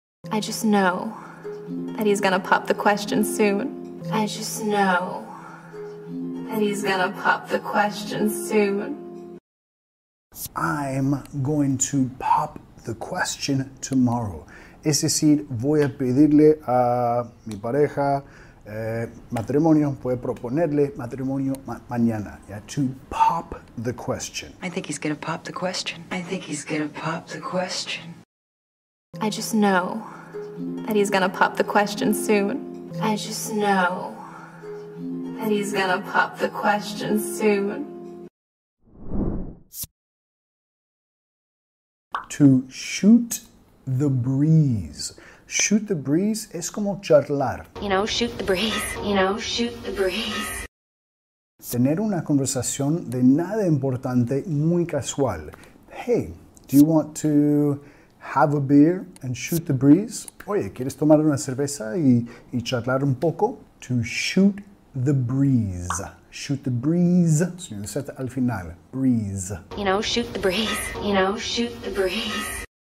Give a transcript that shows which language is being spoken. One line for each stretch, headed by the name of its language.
English: I just know that he's gonna pop the question soon. I just know that he's gonna pop the question soon. I'm going to pop the question tomorrow.
Spanish: Es decir, voy a pedirle a mi pareja matrimonio, puede proponerle matrimonio mañana, ¿ya?
English: To pop the question. I think he's gonna pop the question. I think he's gonna pop the question. I just know that he's gonna pop the question soon. I just know and he's gonna pop the question soon. To shoot the breeze. Shoot the breeze
Spanish: es como charlar.
English: You know, shoot the breeze. You know, shoot the breeze.
Spanish: Tener una conversación de nada importante muy casual.
English: Hey, do you want to have a beer and shoot the breeze?
Spanish: Oye, ¿quieres tomar una cerveza y charlar un poco?
English: To shoot the breeze. Shoot the breeze.
Spanish: Se me dice al final. Breeze.
English: You know, shoot the breeze. You know, shoot the breeze.